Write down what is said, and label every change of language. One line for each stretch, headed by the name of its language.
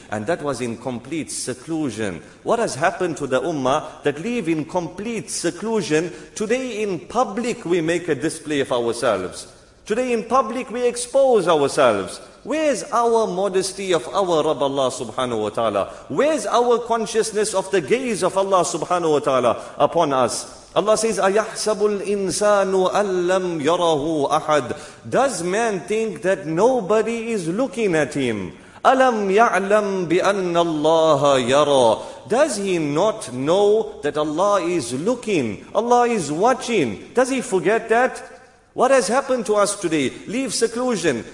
English: And that was in complete seclusion. What has happened to the ummah that live in complete seclusion? Today in public we make a display of ourselves. Today in public we expose ourselves. Where's our modesty of our Rabb Allah subhanahu wa ta'ala? Where's our consciousness of the gaze of Allah subhanahu wa ta'ala upon us? Allah says,
Arabic: أَيَحْسَبُ الْإِنسَانُ أَلَّمْ يَرَهُ أَحَدٍ.
English: Does man think that nobody is looking at him?
Arabic: أَلَمْ يَعْلَمْ بِأَنَّ اللَّهَ يَرَى.
English: Does he not know that Allah is looking? Allah is watching. Does he forget that? What has happened to us today? Leave seclusion.